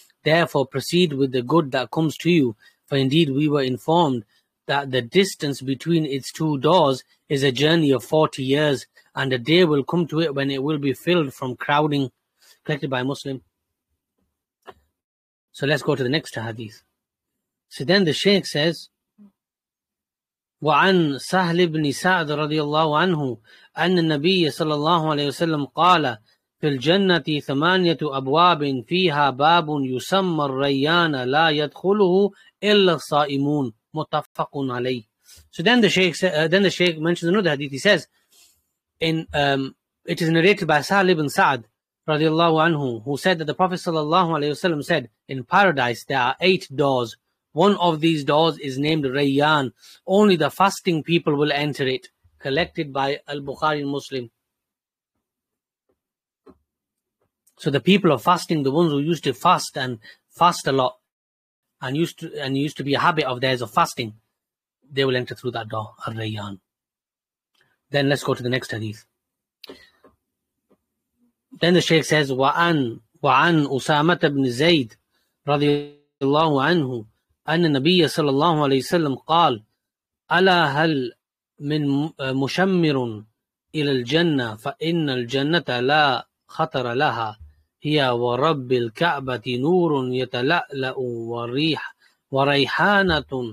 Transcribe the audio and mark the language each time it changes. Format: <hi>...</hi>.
<en>Therefore, proceed with the good that comes to you, for indeed we were informed that the distance between its two doors is a journey of 40 years, and a day will come to it when it will be filled from crowding, collected by Muslim. So let's go to the next hadith. So then the Shaykh says,</en> <ar>وعن سهل بن سعد رضي الله عنه أن النبي صلى الله عليه وسلم قال في الجنة ثمانية أبواب فيها باب يسمى الريان لا يدخله إلا الصائمون متفق عليه.</ar> <en>So then the Sheikh mentions another hadith. He says, it is narrated by Sahl bin Saad</en> <ar>رضي الله عنه,</ar> <en>who said that the Prophet</en> <ar>صلى الله عليه وسلم</ar> <en>said, in paradise there are 8 doors. One of these doors is named Rayyan. Only the fasting people will enter it. Collected by Al-Bukhari Muslim. So the people of fasting, the ones who used to fast and fast a lot, and used to be a habit of theirs of fasting, they will enter through that door, Rayyan. Then let's go to the next hadith. Then the Shaykh says, Wa'an Usama ibn Zayd radiallahu anhu,</en> <ar>أن النبي صلى الله عليه وسلم قال ألا هل من مشمر إلى الجنة فإن الجنة لا خطر لها هي ورب الكعبة نور يتلألأ وريح وريحانة</ar>